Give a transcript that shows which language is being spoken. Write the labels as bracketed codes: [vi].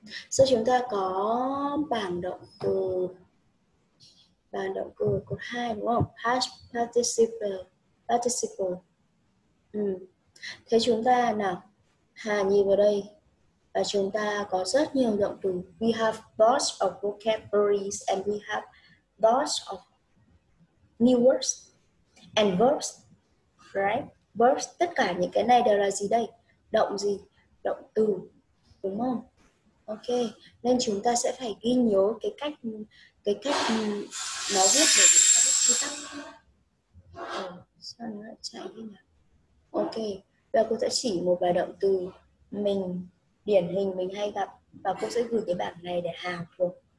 [vi] So chúng ta có bảng động từ, bảng động từ cột 2 đúng không? [en] Past participle. Participle. [vi] Thế chúng ta nào, Hà nhìn vào đây. Và chúng ta có rất nhiều động từ. [en] We have lots of vocabularies and we have lots of new words and verbs. Right? [vi] Verbs, tất cả những cái này đều là gì đây? Động gì? Động từ. Đúng không? Ok, nên chúng ta sẽ phải ghi nhớ cái cách nó viết để chúng ta biết quy tắc. Sao nó lại chạy đi nhỉ? Ok, và cô sẽ chỉ một vài động từ mình điển hình mình hay gặp và cô sẽ gửi cái bảng này để Hàn thuộc.